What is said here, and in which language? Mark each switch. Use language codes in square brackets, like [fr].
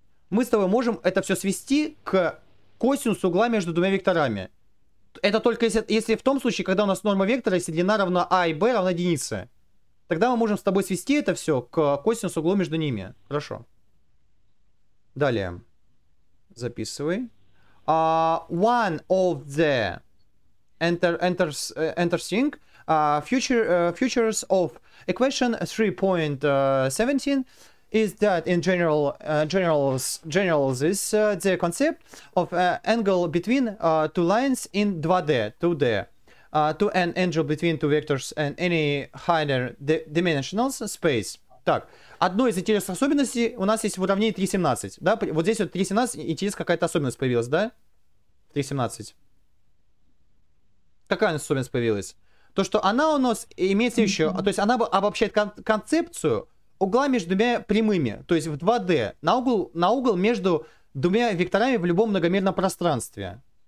[ru] Мы с тобой можем это все свести к косинусу угла между двумя векторами. Это только если в том случае, когда у нас норма вектора, если длина равна А и Б равна единице. Тогда мы можем с тобой свести это все к косинусу угла между ними. Хорошо. Далее. Записывай. [en] One of the interesting features of equation 3.17 is that in general generalizes the concept of angle between two lines in 2D to an angle between two vectors and any higher dimensional space. [ru] Так, одно из интересных особенностей у нас есть в уравнении 3.17, да? Вот здесь вот 3.17, интересно, какая-то особенность появилась, да? 3.17. Какая особенность появилась? То, что она у нас имеет следующее, то есть она обобщает концепцию угла между двумя прямыми, то есть в 2D, на угол между двумя векторами в любом многомерном пространстве.